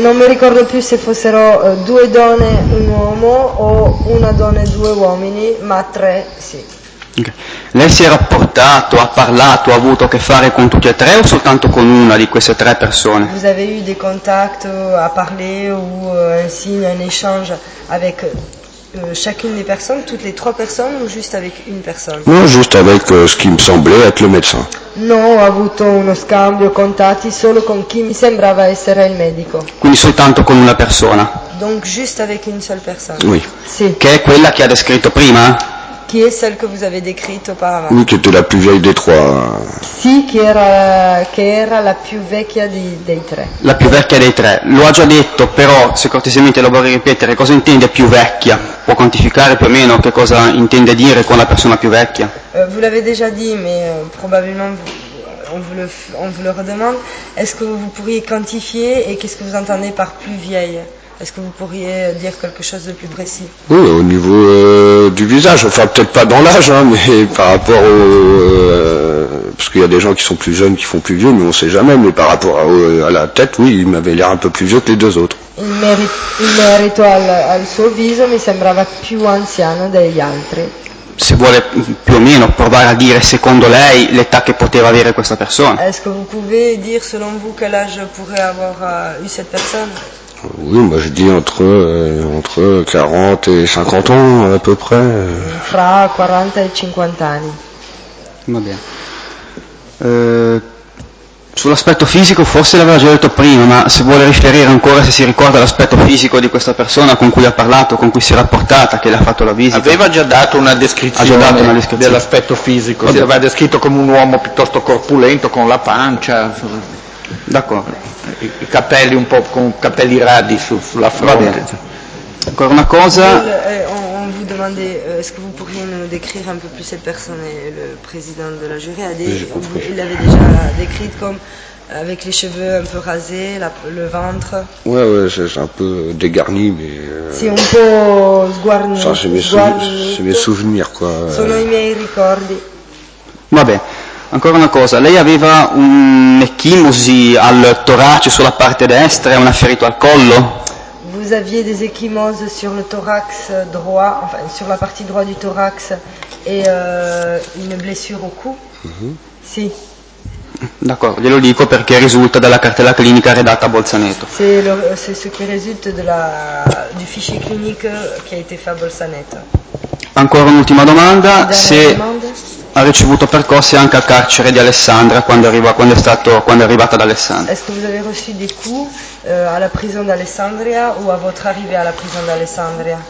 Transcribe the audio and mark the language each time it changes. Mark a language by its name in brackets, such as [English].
[Italian] non mi ricordo più se fossero due donne un uomo o una donna e due uomini, ma tre sì. [English] Okay. [Italian] Lei si è rapportato, ha parlato, ha avuto a che fare con tutte e tre o soltanto con una di queste tre persone? [French] Vous avez eu des contacts à parler ou ainsi un échange avec chacune des personnes, toutes les trois personnes ou juste avec une personne? Non, juste avec ce qui me semblait être le médecin. [Italian] Non, ho avuto uno scambio contatti solo con chi mi sembrava essere il medico. Quindi soltanto con una persona. [French] Donc juste avec une seule personne. Oui. [Italian] Sì. Che è quella che ha descritto prima? [French] Qui est celle que vous avez décrite auparavant? Oui, qui était la plus vieille des trois. [Italian] Si, qui era la più vecchia dei tre. La più vecchia dei tre. Lo ha già detto, però se cortesemente lo vorrei ripetere, cosa intende più vecchia? Può quantificare più o meno che cosa intende dire con la persona più vecchia? [French] Vous l'avez déjà dit, mais probablement on vous le redemande. Est-ce que vous pourriez quantifier et qu'est-ce que vous entendez par plus vieille? Est-ce que vous pourriez dire quelque chose de plus précis? Oui, au niveau du visage, enfin peut-être pas dans l'âge, hein, mais par rapport au... parce qu'il y a des gens qui sont plus jeunes, qui font plus vieux, mais on sait jamais, mais par rapport à la tête, oui, il m'avait l'air un peu plus vieux que les deux autres. [Italian] In merito al suo viso, mi sembrava più anziano degli altri. Se vuole più o meno provare a dire secondo lei l'età che poteva avere questa persona. [French] Est-ce que vous pouvez dire selon vous quel âge pourrait avoir eu cette personne? Oui, moi je dis entre 40 et 50 ans à peu près. [Italian] Fra 40 et 50 anni. [French] Va bien. [Italian] Sull'aspetto fisico forse l'aveva già detto prima, ma se vuole riferire ancora, se si ricorda l'aspetto fisico di questa persona con cui ha parlato, con cui si è rapportata, che le ha fatto la visita. Aveva già dato una descrizione, ha già dato una descrizione dell'aspetto fisico. Vabbè. Si aveva descritto come un uomo piuttosto corpulento, con la pancia. D'accordo. I capelli un po' con capelli radi sulla fronte. Ancora una cosa. [French] On vous demandait, est-ce que vous pourriez nous décrire un peu plus cette personne? Le président de la jury a dit, il l'avait déjà décrite comme avec les cheveux un peu rasés, le ventre. Ouais, c'est un peu dégarni, mais. [Italian] Si [French] un peu [Italian] sguarnito. [French] Ça, c'est mes souvenirs, quoi. [Italian] Sono i miei ricordi. Va bene. Ancora una cosa, lei aveva un'ecchimosi al torace sulla parte destra e un ferito al collo? [French] Vous aviez des ecchimoses sur le thorax droit, enfin sur la partie droite du thorax et une blessure au cou? Mm-hmm. [Italian] Sì. D'accord, glielo dico perché risulta dalla cartella clinica redatta a Bolzaneto. [French] C'est ce qui résulte du fichier clinique qui a été fait à Bolzaneto. [Italian] Ancora un'ultima domanda, ha ricevuto percosse anche al carcere di Alessandra quando è arrivata ad Alessandria. [French] Est-ce que vous avez reçu des coups à la prison d'Alessandria ou à votre arrivée à la prison d'Alessandria?